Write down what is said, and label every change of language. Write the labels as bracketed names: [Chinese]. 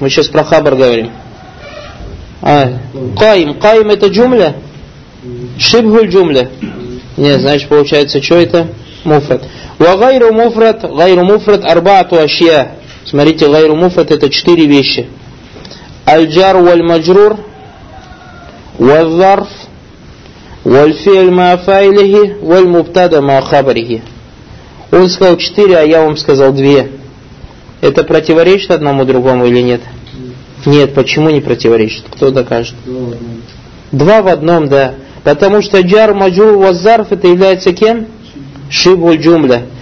[Russian] Мы сейчас про хабар говорим. А, каим. Каим это джумля? Шибху джумля. Нет, значит, получается, что это? Муфрат. [Arabic] Ва гайру муфрат, гайру муфрат, арбаату ашья. [Russian] Смотрите, гайру муфрат это четыре вещи. [Arabic] الجار والمجرور والظرف والفعل ما فعله والمبتدا ما خبره. [Russian] Он сказал четыре, а я вам сказал две. Это противоречит одному другому или нет? Нет, почему не противоречит? Кто докажет? Два в одном, да. Потому что джар, маджрур, ваззарф это является кем? Шибху джумля.